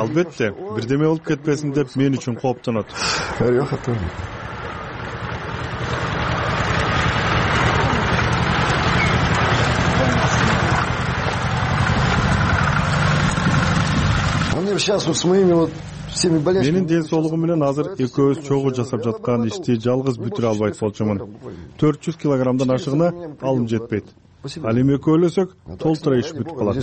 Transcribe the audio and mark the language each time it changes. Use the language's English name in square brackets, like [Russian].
[Kyrgyz] Албетте, бирдеме болуп кетпесин деп мен үчүн кооптонот. Эрех атам. Мен [Russian] сейчас с моими вот всеми болезнями. [Kyrgyz] Менин ден соолугум менен азыр экөөбүз чогуу жасап жаткан ишти жалгыз бүтүрө албайт болчумун. 400 кг'дан ашыгына алым жетпейт. Ал эми экөөлөсөк толтура иш бүтүп калат.